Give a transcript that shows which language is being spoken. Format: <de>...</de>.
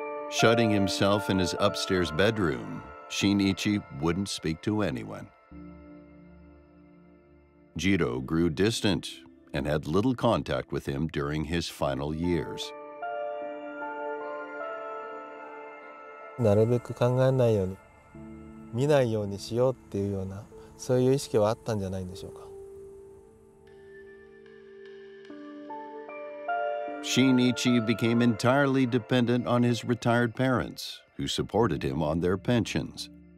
<en>Shutting himself in his upstairs bedroom, Shinichi wouldn't speak to anyone. Jiro grew distant and had little contact with him during his final years.</en> <ja>なるべく考えないように、見ないようにしようっていうような、そういう意識はあったんじゃないんでしょうか。</ja> <en>Shinichi became entirely dependent on his retired parents, who supported him on their pensions.</en>